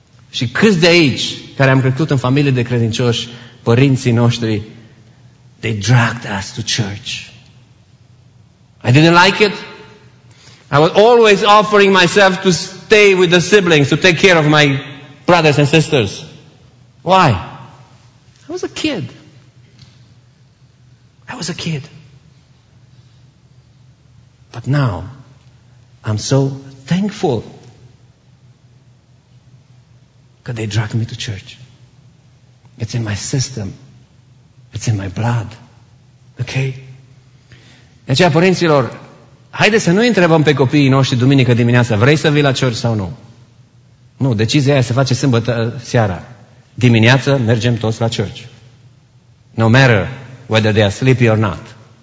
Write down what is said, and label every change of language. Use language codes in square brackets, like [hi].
[ro] Și câți de aici, care am crescut în familie de credincioși, părinții noștri, [en] they dragged us to church. I didn't like it. I was always offering myself to stay with the siblings, to take care of my brothers and sisters. Why? I was a kid. But now, I'm so thankful that they dragged me to church. It's in my system. It's in my blood. Okay? [ro] De aceea, părinților, haide să nu întrebăm pe copiii noștri duminică dimineața: vrei să vii la church sau nu? Nu, decizia aia se face sâmbătă seara. Dimineață mergem toți la church. [en] No matter whether they are sleepy or not.